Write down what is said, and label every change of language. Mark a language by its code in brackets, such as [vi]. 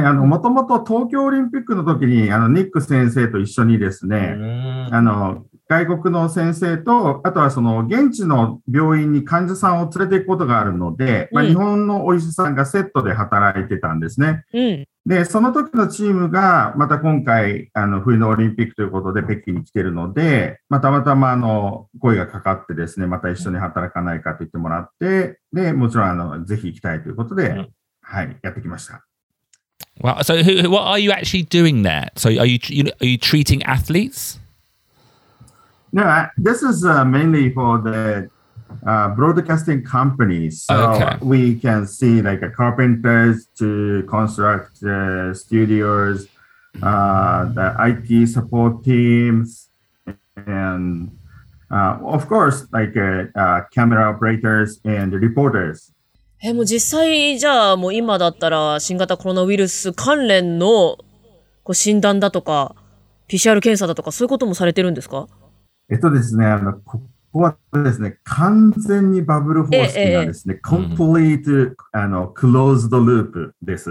[ja] もともと東京オリンピックの時に、ニック先生と一緒にですね、外国の先生と、あとはその現地の病院に患者さんを連れていくことがあるので、まあ、日本のお医者さんがセットで働いてたんですね。で、その時のチームが、また今回、冬のオリンピックということで北京に来てるので、まあ、たまたま声がかかってですね、また一緒に働かないかと言ってもらって、で、もちろん、ぜひ行きたいということで、はい、やってきました。 [en] Well, so what are you actually doing there? So are you treating athletes? No, this is mainly for the broadcasting companies. So we can see like carpenters to construct studios, the IT support teams, and of course, like camera operators and reporters. [ja] もう実際じゃあもう今だったら新型コロナウイルス関連のこう診断だとか PCR 検査だとかそういうこともされてるんですか？ですね、ここはですね、完全にバブル方式がですね、 [en] complete、closed loop [ja] です、